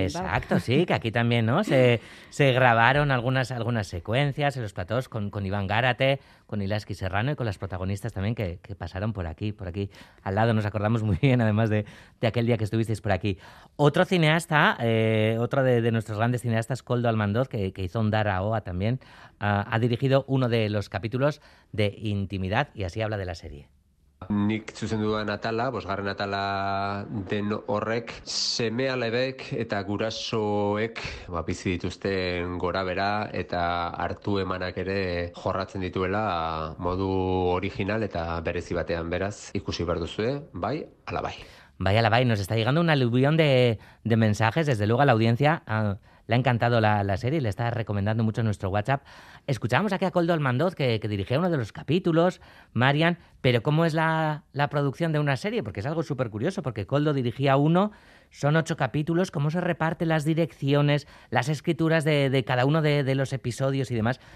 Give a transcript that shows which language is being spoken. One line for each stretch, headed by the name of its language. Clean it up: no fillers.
Spanish: Exacto, sí, que aquí también, ¿no? se grabaron algunas secuencias en los platós con Iván Gárate, con Ilaski Serrano y con las protagonistas también que pasaron por aquí al lado. Nos acordamos muy bien, además de aquel día que estuvisteis por aquí. Otro cineasta, otro de nuestros grandes cineastas, Koldo Almandoz, que hizo Ondarra Oa también, ha dirigido uno de los capítulos de Intimidad, y así habla de la serie.
Basque: Nik zuzen dudan atala, bosgarren atala den horrek, seme alebek eta gurasoek bizi dituzten gorabera eta hartu emanak ere jorratzen dituela modu original eta berezi batean, beraz, ikusi behar duzue, bai, ala bai. Bai, ala bai,
Spanish: nos está llegando un aluvión de mensajes, desde luego a la audiencia le ha encantado la serie, le está recomendando mucho nuestro WhatsApp. Escuchábamos aquí a Koldo Almandoz, que dirigía uno de los capítulos, Marian, pero ¿cómo es la producción de una serie? Porque es algo súper curioso, porque Koldo dirigía uno, son 8 capítulos, ¿cómo se reparten las direcciones, las escrituras de cada uno de los episodios y demás?